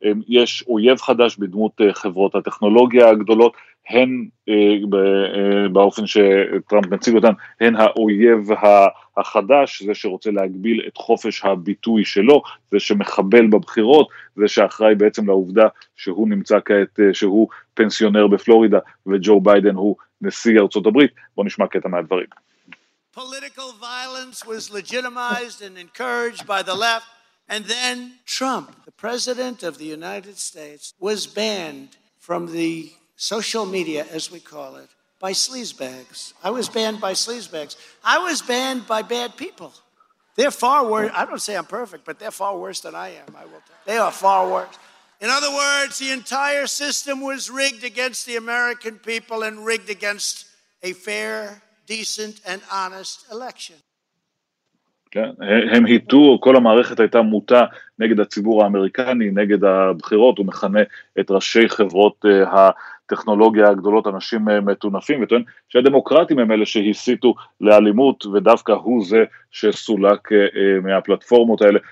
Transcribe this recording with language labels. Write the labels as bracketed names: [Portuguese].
[Hebrew] יש אויב חדש בדמות חברות הטכנולוגיה הגדולות, הן באופן שטראמפ מציג אותן, הן האויב החדש, זה שרוצה להגביל את חופש הביטוי שלו, זה שמחבל בבחירות, זה שאחראי בעצם לעובדה שהוא נמצא כעת, שהוא פנסיונר בפלורידה, וג'ו ביידן הוא נשיא ארצות הברית. בוא נשמע קטע מהדברים. [English] Political violence was legitimized and encouraged by the left, and then Trump, the president of the United States, was banned from the social media, as we call it, by sleazebags. I was banned by sleazebags. I was banned by bad people. They're far worse. I don't say I'm perfect, but they're far worse than I am, I will tell you. They are far worse. In other words, the entire system was rigged against the American people and rigged against a fair, decent, and honest election. [Hebrew] כן, הם היטו, כל המערכת הייתה מוטה נגד הציבור האמריקני, נגד הבחירות. הוא מכנה את ראשי חברות הטכנולוגיה הגדולות אנשים מטונפים, וטוען שהדמוקרטים הם אלה שהסיתו לאלימות, ודווקא הוא זה שסולק מהפלטפורמות האלה.